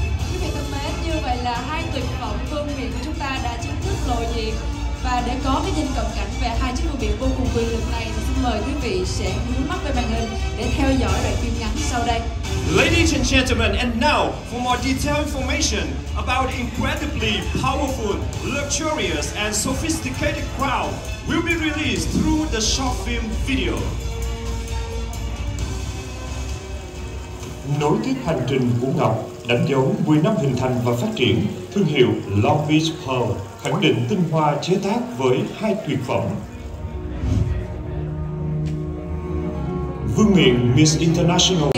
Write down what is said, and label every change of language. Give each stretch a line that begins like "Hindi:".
Vietnamese: Quý vị thân mến, như vậy là hai tuyệt phẩm vương miện của chúng ta đã chính thức lộ diện. Và để có cái nhìn cận cảnh về hai chiếc vương miện vô cùng quyền lực này, xin mời quý vị sẽ nhắm mắt về màn hình để theo dõi đoạn phim ngắn sau đây.
English: Ladies and gentlemen, and now for more detailed information about incredibly powerful, luxurious and sophisticated crown will be released through the short film video.
Vietnamese: Nối tiếp hành trình của Ngọc đánh dấu 10 năm hình thành và phát triển, thương hiệu Long Beach Pearl khẳng định tinh hoa chế tác với hai tuyệt phẩm. Vương miện Miss International,